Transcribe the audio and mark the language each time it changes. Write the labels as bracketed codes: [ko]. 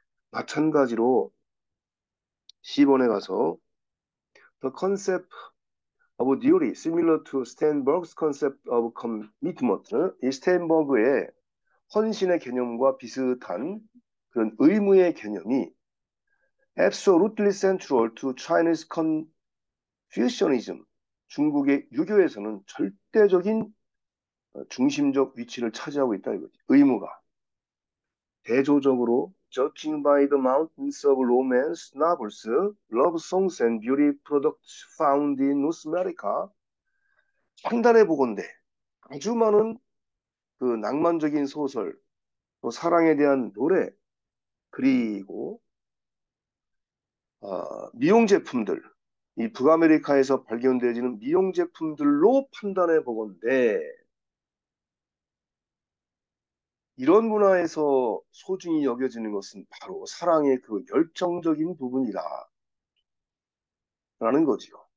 [ko] 마찬가지로 C번에 가서, [en] the concept of duty, similar to Sternberg's concept of commitment, [ko] 이 스텐버그의 헌신의 개념과 비슷한 그런 의무의 개념이 [en] absolutely central to Chinese Confucianism, [ko] 중국의 유교에서는 절대적인 중심적 위치를 차지하고 있다 이거지. 의무가 대조적으로 [en] Judging by the mountains of romance novels, love songs and beauty products found in North America. [ko] 판단해 보건대 아주 많은 그 낭만적인 소설, 또 사랑에 대한 노래, 그리고 미용 제품들, 이 북아메리카에서 발견되어지는 미용 제품들로 판단해 보건대 이런 문화에서 소중히 여겨지는 것은 바로 사랑의 그 열정적인 부분이다라는 거지요.